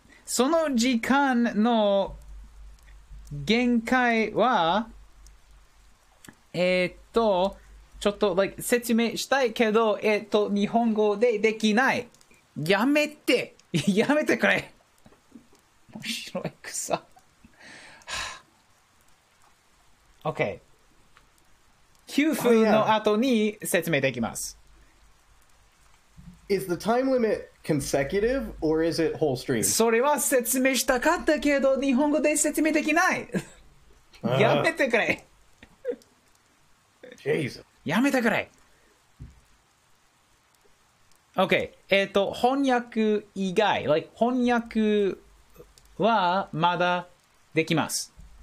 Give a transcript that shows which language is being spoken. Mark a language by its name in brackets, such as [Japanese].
[Japanese] その時間の限界は、ちょっと、like、説明したいけど、日本語でできない。やめて。やめてくれ。面白い草。 [English] OK。 [Japanese] 給付の後に説明できます。 [English] Is the time limit consecutive or is it whole stream? [Japanese] それは説明したかったけど、日本語で説明できない。やめてくれ。 [English] Jesus. [Japanese] やめてくれ。 OK。 翻訳以外、like、翻訳はまだできます。